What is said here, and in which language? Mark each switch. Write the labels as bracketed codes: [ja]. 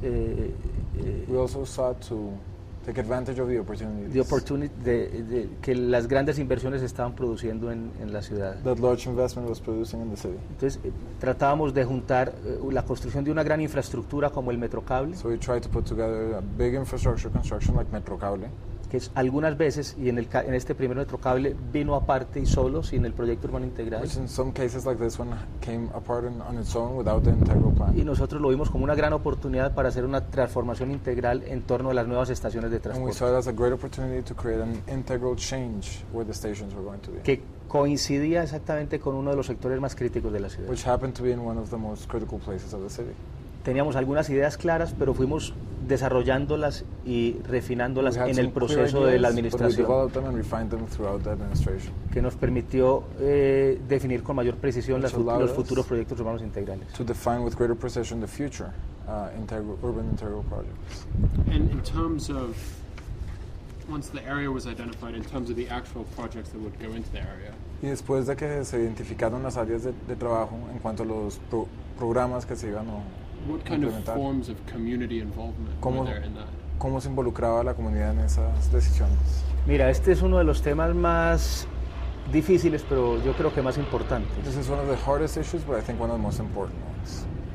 [en] We also sought to take advantage of the opportunities. The opportunity [es] de que las grandes inversiones estaban produciendo en la ciudad. [en] That large investment was producing in the city. [es] Entonces tratábamos de juntar la construcción de una gran infraestructura como el Metrocable. [en] So we tried to put together a big infrastructure construction like Metrocable. [es] Que es algunas veces y en este primer Metrocable vino aparte y solo sin el proyecto urbano integral. [en] Which in some cases like this one came apart on its own without the integral plan. [es] Y nosotros lo vimos como una gran oportunidad para hacer una transformación integral en torno a las nuevas estaciones de transporte. [en] And we saw it as a great opportunity to create an integral change where the stations were going to be. [es] Que coincidía exactamente con uno de los sectores más críticos de la ciudad. [en] Which happened to be in one of the most critical places of the city. [es] Teníamos algunas ideas claras, pero fuimos desarrollándolas y refinándolas en el proceso [en] ideas, [es] de la administración. [en] But we developed them and refined them throughout the administration. [es] Que nos permitió definir con mayor precisión los futuros proyectos urbanos integrales. [en] To define with greater precision the future urban integral projects. And in terms of, once the area was identified, in terms of the actual projects that would go into the area. [es] Y después de que se identificaron las áreas de trabajo en cuanto a los programas que se iban a [en] what kind [es] implementar, [en] of forms of community involvement [es] cómo, [en] were there in that? [es] ¿Cómo se involucraba la comunidad en esas decisiones? Mira, este es uno de los temas más difíciles, pero yo creo que más importantes. [en] This is one of the hardest issues, but I think one of the most important ones.